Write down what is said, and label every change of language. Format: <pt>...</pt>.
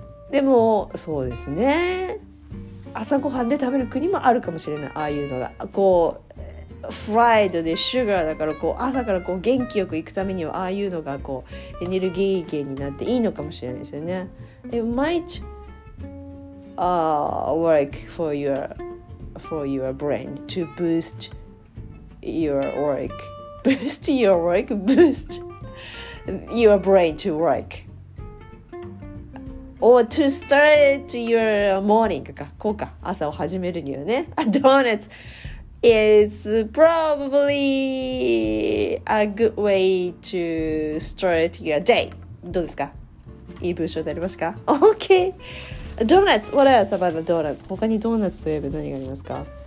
<ja>でもそうですね、朝ごはんで食べる国もあるかもしれない。ああいうのがこうフライドでシュガーだから、こう朝からこう元気よく行くためにはああいうのがこうエネルギー源になっていいのかもしれないですよね。</ja> <en>It might work for your brain to boost your work. Boost your work, boost your brain to work. Or to start your morning</en> <ja>か、こうか、朝を始めるにはね。</ja> <en>Donuts is probably a good way to start your day.</en> <ja>どうですか？いい文章でありますか？</ja> <en>OK! Donuts! What else about the donuts?</en> <ja>他にドーナツといえば何がありますか？</ja>